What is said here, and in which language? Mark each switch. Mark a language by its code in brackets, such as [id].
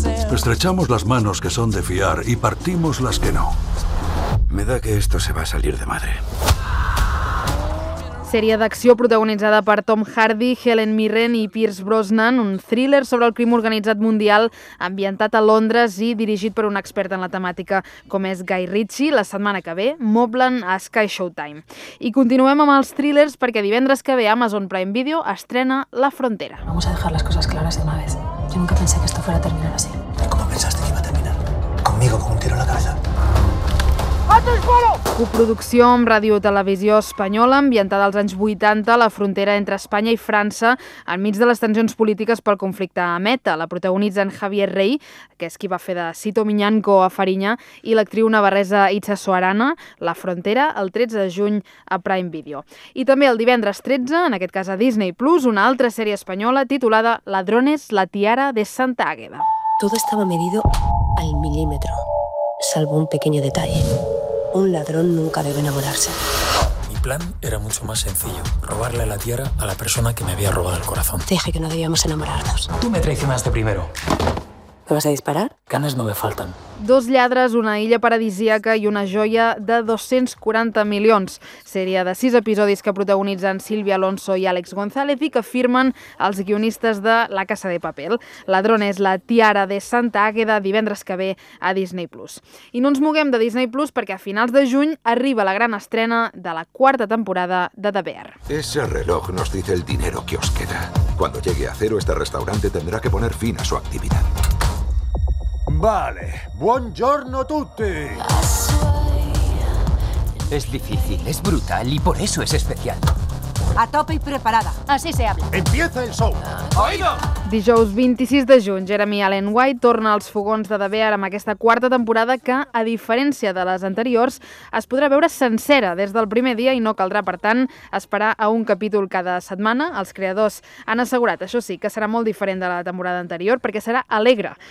[es] Estrechamos las manos que son de fiar y partimos las que no. Me da que esto se va a salir de madre. [ca] Sèrie d'acció protagonitzada per Tom Hardy, Helen Mirren i Pierce Brosnan, un thriller sobre el crim organitzat mundial ambientat a Londres i dirigit per un expert en la temàtica com és Guy Ritchie. La setmana que ve, Mobland a Sky Showtime. I continuem amb els thrillers perquè divendres que ve Amazon Prime Video estrena La Frontera. [es] Vamos a dejar las cosas claras de una vez. Yo nunca pensé que esto fuera a terminar así. ¿Cómo pensaste que iba a terminar? Conmigo, con un tiro en la cabeza. [ca] Coproducció amb Ràdio Televisió Espanyola, ambientada als anys 80, a la frontera entre Espanya i França, enmig de les tensions polítiques pel conflicte a Meta. La protagonitza en Javier Rey, que és qui va fer de Sito Miñanco a Farinha, i l'actriu navarresa Itza Soarana, La Frontera, el 13 de juny a Prime Video. I també el divendres 13, en aquest cas a Disney+, una altra sèrie espanyola titulada Ladrones, la tiara de Santa Águeda. [es] Todo estaba medido al milímetro. Salvo un pequeño detalle. Un ladrón nunca debe enamorarse. Mi plan era mucho más sencillo. Robarle la tierra a la persona que me había robado el corazón. Te dije que no debíamos enamorarnos. Tú me traicionaste primero. ¿Me vas a disparar? Ganes no me faltan. [ca] Dos lladres, una illa paradisíaca i una joia de 240 milions. Sèrie de 6 episodis que protagonitzen Silvia Alonso i Àlex González i que firmen els guionistes de La Casa de Papel. Ladrón és la tiara de Santa Àgueda divendres que ve a Disney+. I no ens moguem de Disney+, perquè a finals de juny arriba la gran estrena de la quarta temporada de The Bear. [es] Ese reloj nos dice el dinero que os queda. Cuando llegue a cero, este restaurante tendrá que poner fin a su actividad. [it] Vale, buongiorno tutti. [es] Es difícil, es brutal y por eso es especial. A tope y preparada, así se habla. Empieza el show. ¡Oído! [ca] Dijous 26 de juny, Jeremy Allen White torna als fogons de The Bear amb aquesta quarta temporada que, a diferència de les anteriors, es podrà veure sencera des del primer dia i no caldrà, per tant, esperar a un capítol cada setmana. Els creadors han assegurat, això sí, que serà molt diferent de la temporada anterior perquè serà alegre.